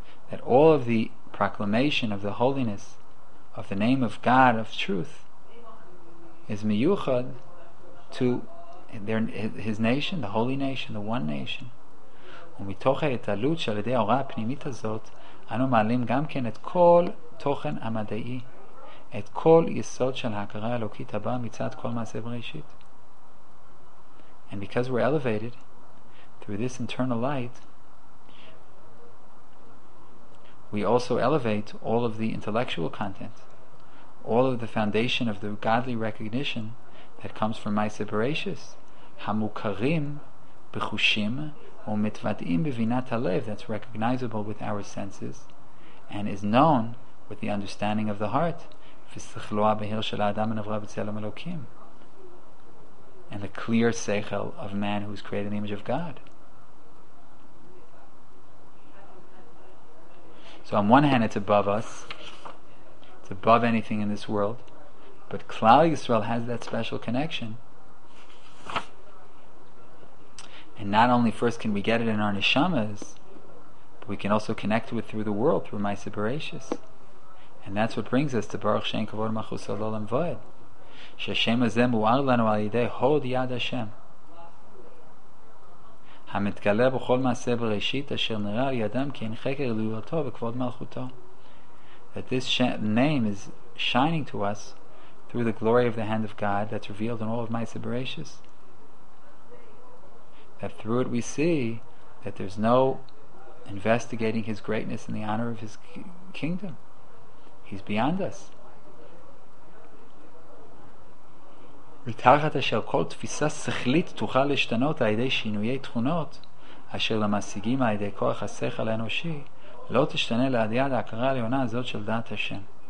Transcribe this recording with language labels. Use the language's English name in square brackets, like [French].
[English] That all of the proclamation of the holiness of the name of God, of truth, is miyuchad to his nation, the holy nation, the one nation. [Hebrew] ומתוך ההתעלות שעל ידי ההוראה הפנימית הזאת, אנו מעלים גם כן את כל תוכן המדעי, את כל יסוד של ההכרה האלוקית הבאה מצד כל מעשה בראשית. [English] And because we're elevated through this internal light, we also elevate all of the intellectual content, all of the foundation of the godly recognition that comes from Ma'aseh Bereishis, [Hebrew] hamukarim b'chushim u'mitvadim b'vinat halev, [English] that's recognizable with our senses and is known with the understanding of the heart, [Hebrew] v'sechloa b'hir shel ha'adam v'nevra b'tzelem elokim, [English] and the clear seichel of man who is created in the image of God. So on one hand, it's above us, it's above anything in this world, but Klal Yisrael has that special connection. And not only first can we get it in our neshamas, but we can also connect with it through the world, through Ma'aseh Bereishis. And that's what brings us to [Hebrew] Baruch Shein Kavod Malchus Olam Vod. Shashem Hazeh Mu'ar Lanu Al Yidei Hod Yad Hashem המתגלה בכל מעשה בראשית אשר נראה על ידם כי אין חקר לראותו וכבוד מלכותו. [English] That this name is shining to us through the glory of the hand of God that's revealed in all of my separations. That through it we see that there's no investigating his greatness and the honor of his kingdom. He's beyond us. [Hebrew] מתחת אשר כל תפיסה שכלית תוכל להשתנות על ידי שינויי תכונות אשר למשיגים על ידי כוח השכל האנושי לא תשתנה לעד יד ההכרה העליונה הזאת של דעת השם.